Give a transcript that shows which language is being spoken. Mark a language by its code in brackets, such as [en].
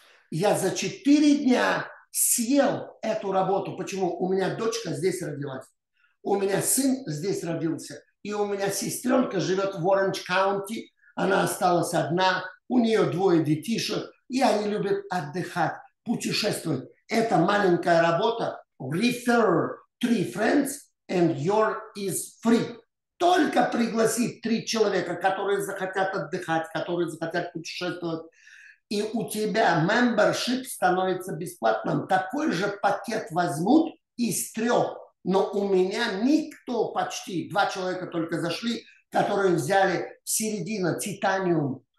[ru] Я за 4 дня съел эту работу. Почему? У меня дочка здесь родилась. У меня сын здесь родился. И у меня сестренка живет в Orange County. Она осталась одна. У нее двое детишек. И они любят отдыхать, путешествовать. Это маленькая работа. [en] Refer 3 friends and your is free. [ru] Только пригласи 3 человека, которые захотят отдыхать, которые захотят путешествовать. И у тебя membership становится бесплатным. Такой же пакет возьмут из 3. Но у меня никто почти, 2 человека только зашли, которые взяли середину, титаниум.